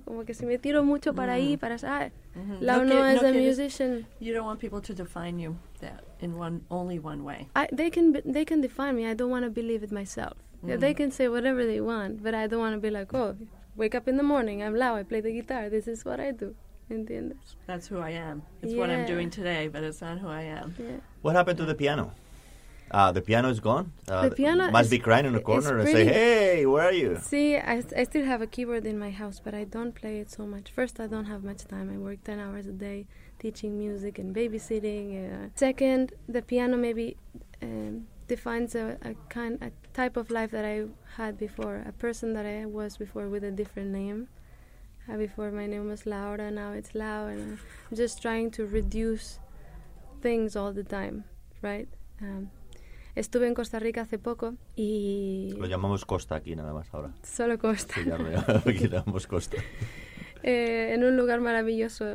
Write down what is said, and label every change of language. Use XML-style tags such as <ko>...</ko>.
<es>Como que si me tiro mucho para ahí, para esa, musician.</es> <en>You don't want people to define you that in only one way. They can define me. I don't want to believe it myself. Mm. They can say whatever they want, but I don't want to be like, oh, wake up in the morning, I'm Lau, I play the guitar, this is what I do.</en> <es>¿Entiendes?</es> <en>That's who I am. It's what I'm doing today, but it's not who I am. Yeah. What happened to the piano? The piano is gone. The piano must be crying in the corner and say, hey, where are you? See, I still have a keyboard in my house, but I don't play it so much. First, I don't have much time. I work 10 hours a day teaching music and babysitting. Second, the piano maybe defines a type of life that I had before, a person that I was before with a different name. Before, my name was Laura, now it's Lau, and I'm just trying to reduce things all the time, right?</en> <es>Estuve en Costa Rica hace poco y... Lo llamamos Costa aquí nada más ahora. Solo Costa. Sí, ya me llamamos Costa. En un lugar maravilloso.</es>